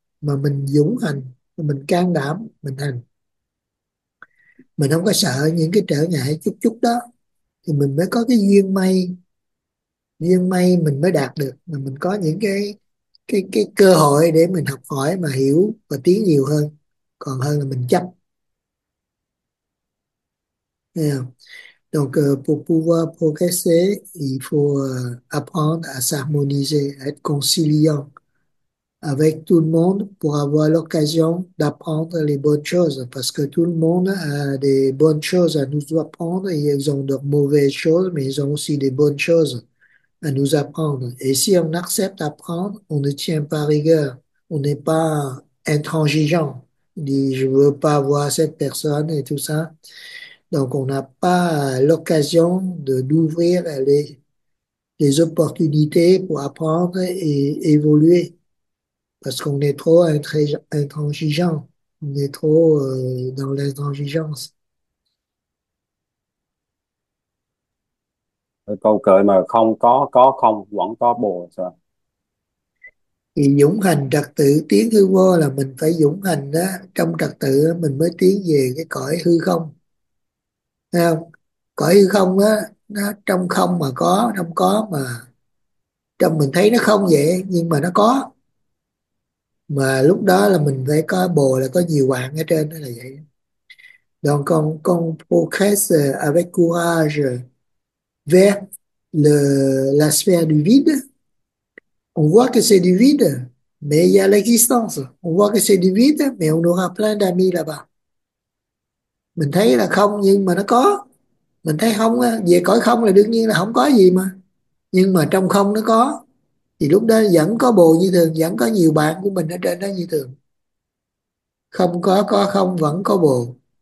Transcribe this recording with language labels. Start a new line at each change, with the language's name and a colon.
Vietnamese: Mà mình dũng hành, mình can đảm mình hành, mình không có sợ những cái trở ngại chút chút đó, thì mình mới có cái duyên may, duyên may mình mới đạt được, mà mình có những cái cơ hội để mình học hỏi mà hiểu và tiến nhiều hơn, còn hơn là mình chấp. Thấy không?
French: Donc, pour pouvoir progresser, il faut apprendre à s'harmoniser, à être conciliant avec tout le monde pour avoir l'occasion d'apprendre les bonnes choses. Parce que tout le monde a des bonnes choses à nous apprendre et ils ont de mauvaises choses, mais ils ont aussi des bonnes choses à nous apprendre. Et si on accepte d'apprendre, on ne tient pas rigueur, on n'est pas intransigeant. On dit, je veux pas voir cette personne et tout ça. Donc, on n'a pas l'occasion de d'ouvrir les opportunités pour apprendre et évoluer. Parce qu'on est trop intransigeant. On est trop dans l'intransigeance.
Vietnamese: Câu cười mà không có không vẫn có bồ sao? Thì dũng hành trật tự, tiến hư vô là mình phải dũng hành đó. Trong trật tự mình mới tiến về cái cõi hư không. Thấy không? Cõi hư không á, nó trong không mà có, trong có mà trong mình thấy nó không vậy nhưng mà nó có, mà lúc đó là mình phải có bồ, là có nhiều bạn ở trên đó là vậy.
French: Donc con progresse avec courage vers la sphère du vide. On voit que c'est du vide, mais il y a l'existence. On voit que c'est du vide, mais on aura plein d'amis là-bas.
Vietnamese: Mình thấy là không nhưng mà nó có. Mình thấy không á, về cõi không là đương nhiên là không có gì mà. Nhưng mà trong không nó có. Thì lúc đó vẫn có bồ như thường, vẫn có nhiều bạn của mình ở trên đó như thường. Không có, có không vẫn có bồ.